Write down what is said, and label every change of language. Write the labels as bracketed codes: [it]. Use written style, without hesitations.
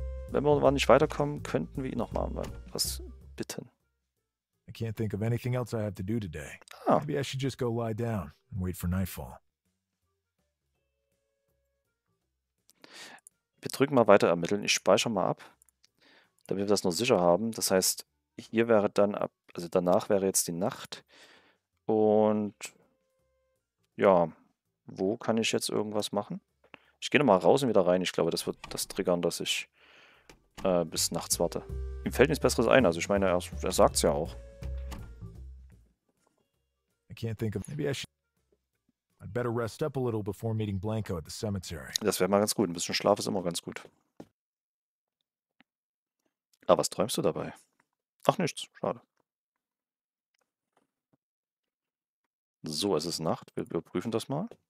[de] Wenn wir nicht weiterkommen, könnten wir ihn nochmal was bitten. [en] I can't think of anything else I have to do today. Ah. Maybe I should just go lie down and wait for nightfall. [de] Wir drücken mal weiter ermitteln. Ich speichere mal ab, damit wir das nur sicher haben. Das heißt, hier wäre dann ab, also danach wäre jetzt die Nacht. Und ja, wo kann ich jetzt irgendwas machen? Ich gehe nochmal raus und wieder rein. Ich glaube, das wird das triggern, dass ich bis nachts warte. Ihm fällt nichts Besseres ein. Also ich meine, er sagt es ja auch. [en] I can't think of maybe I should. I'd better rest up a little before meeting Blanco at the cemetery. [de] Das wäre mal ganz gut. Ein bisschen Schlaf ist immer ganz gut. Aber was träumst du dabei? Ach, nichts. Schade. So, es ist Nacht. Wir überprüfen das mal.